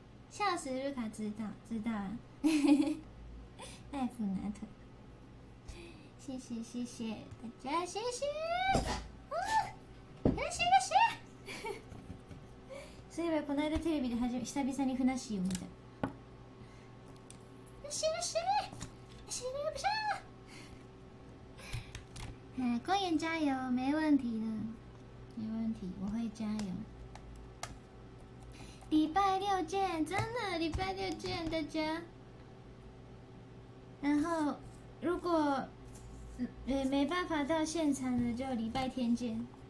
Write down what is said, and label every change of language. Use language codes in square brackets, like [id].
[zh] 笑死，卢卡知道，知道了。赖普拿特，谢谢谢谢大家，谢谢。啊，谢谢谢。 [ja] そういえばこの間テレビで久々にふなしーを見た。よしよし、シーリングショー。 [zh] はい、今夜加油、没问题的、没问题、我会加油。礼拜六见、真的、礼拜六见大家。然后、如果、没办法到现场的就礼拜天见。